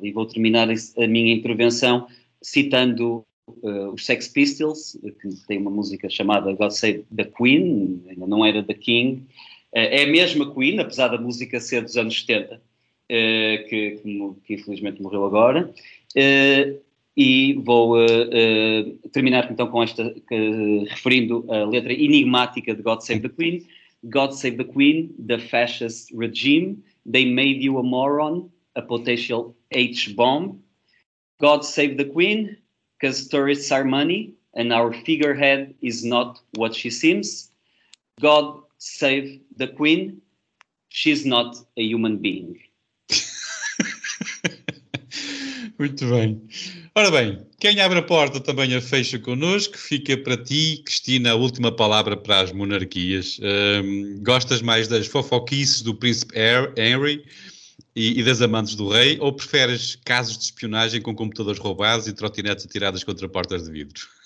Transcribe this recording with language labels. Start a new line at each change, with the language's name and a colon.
Portuguese: E vou terminar a minha intervenção citando os Sex Pistols, que tem uma música chamada God Save the Queen, ainda não era The King. É a mesma Queen, apesar da música ser dos anos 70. que infelizmente morreu agora. E vou terminar então com esta, referindo a letra enigmática de God Save the Queen.
English: God Save the Queen, the fascist regime, they made you a moron, a potential H-bomb. God Save the Queen, because tourists are money, and our figurehead is not what she seems. God Save the Queen, she's not a human being.
Portuguese: Muito bem. Ora bem, quem abre a porta também a fecha connosco. Fica para ti, Cristina, a última palavra para as monarquias. Gostas mais das fofoquices do príncipe Henry e das amantes do rei, ou preferes casos de espionagem com computadores roubados e trotinetes atiradas contra portas de vidro?